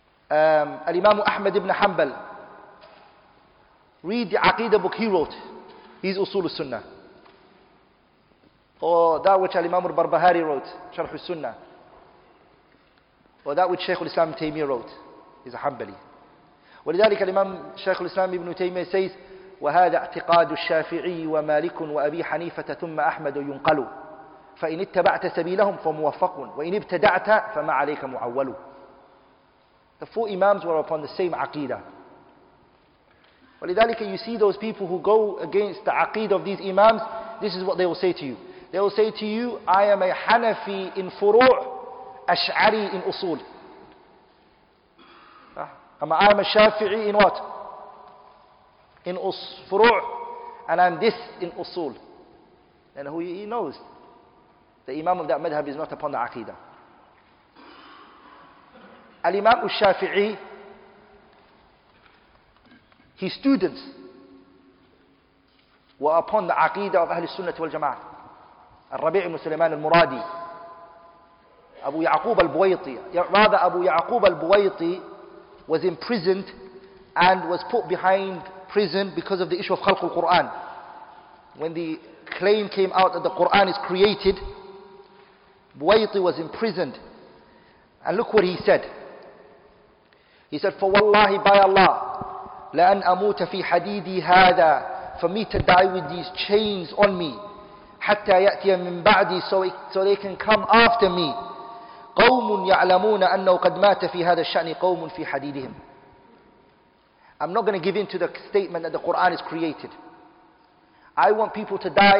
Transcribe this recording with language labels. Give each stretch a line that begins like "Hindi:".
English: Al-Imam Ahmad ibn Hanbal. Read the Aqeedah book he wrote. His Usul al-Sunnah. Or that which Al-Imam al-Barbahari wrote, Sharh al-Sunnah. Or that which Shaykh al-Islam ibn Taymiyyah wrote. He's a Hanbali.
Arabic: ولذلك الإمام شيخ الإسلام ابن تيمية says, وهذا اعتقاد الشافعي ومالك وأبي حنيفة ثم أحمد ينقل. فإن اتبعت سبيلهم فموفق وإن ابتدعت فما عليك معول.
English: The four Imams were upon the same Aqeedah. ولذلك, you see those people who go against the aqeed of these imams, this is what they will say to you. They will say to you, I am a Hanafi in furu', Ash'ari in usul. I am a Shafi'i in what? In furu', and I'm this in usul. And he knows the imam of that madhab is not upon the aqeedah. Al-Imam al-Shafi'i, his students were upon the aqidah of Ahlul Sunnah wal Jama'ah. Al-Rabi' al-Musliman al-Muradi, Abu Ya'qub al-Buwayti. Rather, Abu Ya'qub al-Buwayti was imprisoned and was put behind prison because of the issue of Khalq al-Qur'an. When the claim came out that the Qur'an is created, Buwayti was imprisoned. And look what he said. He said,
Arabic: فَوَاللَّهِ بَيَ اللَّهِ لَأَنْ أَمُوتَ فِي حَدِيدِي هَذَا.
English: For me to die with these chains on me.
Arabic: حَتَّى يَأْتِيَ مِنْ بَعْدِي.
English: So they can come after me.
Arabic: قَوْمٌ يَعْلَمُونَ أَنَّهُ قَدْ مَاتَ فِي هَذَا الشَّأْنِ قَوْمٌ فِي حَدِيدِهِمْ.
English: I'm not going to give in to the statement that the Qur'an is created. I want people to die.